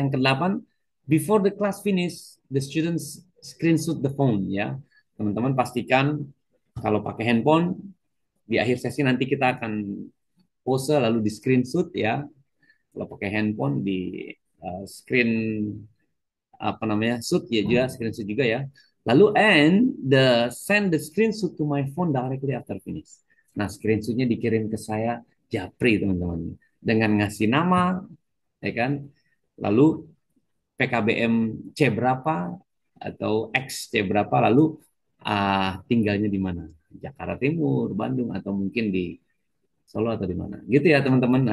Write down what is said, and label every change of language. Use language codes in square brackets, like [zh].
[id] Yang ke-8, [en] before the class finish, the students screenshot the phone ya. [id] Teman-teman pastikan kalau pakai handphone di akhir sesi nanti kita akan pose lalu di screenshot ya. Kalau pakai handphone di screen apa namanya? Shoot ya juga screenshot juga ya. [en] Lalu and the send the screenshot to my phone directly after finish. [id] Nah, screenshotnya dikirim ke saya Japri teman-teman dengan ngasih nama, ya kan? Lalu PKBM C berapa atau X C berapa? Lalu tinggalnya di mana? Jakarta Timur, Bandung atau mungkin di Solo atau di mana? Gitu ya teman-teman.